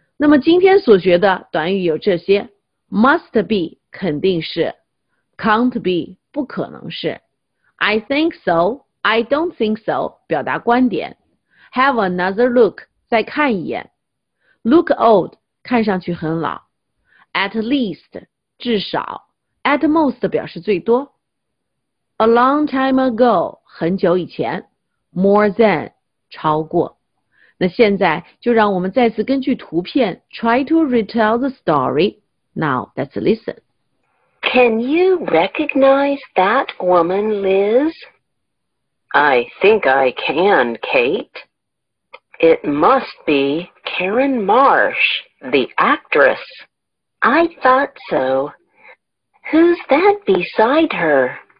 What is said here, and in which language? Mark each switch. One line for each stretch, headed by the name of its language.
Chinese: 那么今天所学的短语有这些
English: must be,
Chinese: 肯定是
English: can't be,
Chinese: 不可能是
English: I think so, I don't think so,
Chinese: 表达观点
English: have another look,
Chinese: 再看一眼
English: look old,
Chinese: 看上去很老
English: at least,
Chinese: 至少
English: at most
Chinese: 表示最多
English: a long time ago,
Chinese: 很久以前
English: more than,
Chinese: 超过。那现在就让我们再次根据图片
English: try to retell the story. Now, let's listen. Can you recognize that woman, Liz? I think I can, Kate. It must be Karen Marsh, the actress. I thought so. Who's that beside her?